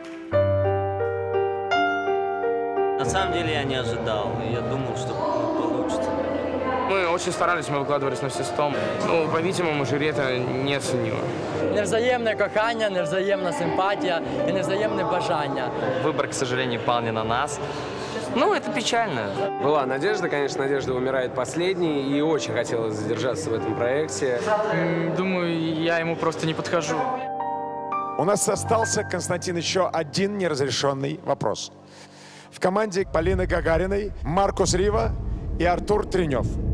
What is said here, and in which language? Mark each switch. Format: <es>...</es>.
<ru>На самом деле я не ожидал, я думал, что получится. Мы очень старались, мы выкладывались на все 100. Ну, по-видимому, жюри это не оценило.</ru> <uk>Невзаємне кохання, невзаємна симпатія і невзаємне бажання.</uk> <ru>Вибір, к сожалению, пал не на нас. Ну, это печально. Была надежда, конечно, надежда умирает последней, и очень хотелось задержаться в этом проекте. Думаю, я ему просто не подхожу. У нас остался, Константин, еще один неразрешенный вопрос. В команде Полины Гагариной, Маркус Рива и Артур Тренев.</ru>